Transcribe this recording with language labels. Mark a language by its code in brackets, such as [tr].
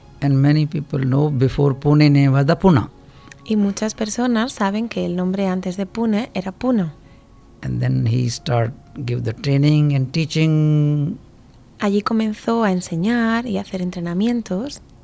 [en] And many people know before Pune name was the Pune. [es] Y muchas personas saben que el nombre antes de Pune era Pune. [en] And then he start give the training and teaching. [es] Allí comenzó a enseñar y a hacer entrenamientos.